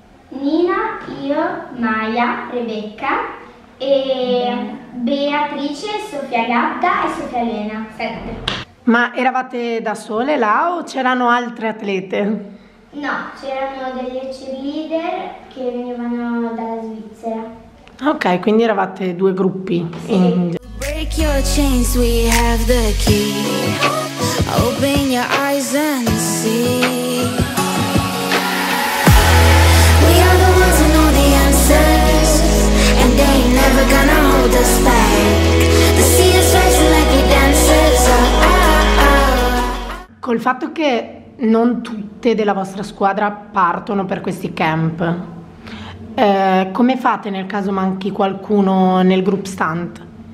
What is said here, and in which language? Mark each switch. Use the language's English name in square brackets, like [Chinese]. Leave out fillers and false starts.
[Italian] Nina, io, Maya, Rebecca, e Beatrice, Sofia Gatta e Sofia Elena. Sette. Ma eravate da sole là o c'erano altre atlete? No, c'erano delle cheerleader che venivano dalla Svizzera. Ok, quindi eravate due gruppi. Sì. [English] Break your chains, we have the key. Open your eyes and see. We are the ones who know the answers, and they ain't never gonna hold us back. The sea is rising like we dancers. Oh, oh, oh. [Italian] Col fatto che non tutte della vostra squadra partono per questi camp, come fate nel caso manchi qualcuno nel group stunt?